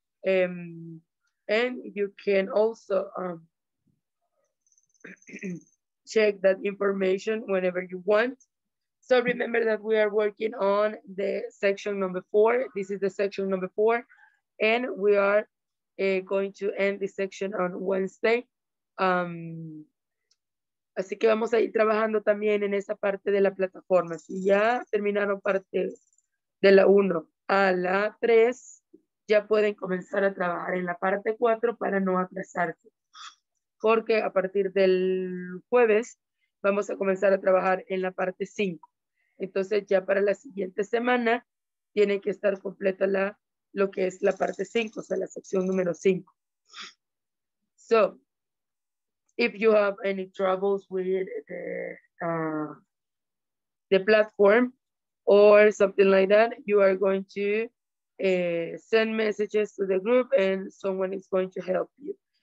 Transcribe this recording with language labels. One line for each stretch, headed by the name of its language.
English: And you can also check that information whenever you want. So remember that we are working on the section number 4. This is the section number 4. And we are going to end this section on Wednesday.
Spanish: Así que vamos a ir trabajando también en esa parte de la plataforma. Si ya terminaron parte de la 1 a la 3, ya pueden comenzar a trabajar en la parte 4 para no atrasarse. Porque a partir del jueves vamos a comenzar a trabajar en la parte 5. Entonces ya para la siguiente semana tiene que estar completa la, lo que es la parte 5, o sea, la sección número 5.
English: So, if you have any troubles with the platform or something like that, you are going to send messages to the group and someone is going to help you.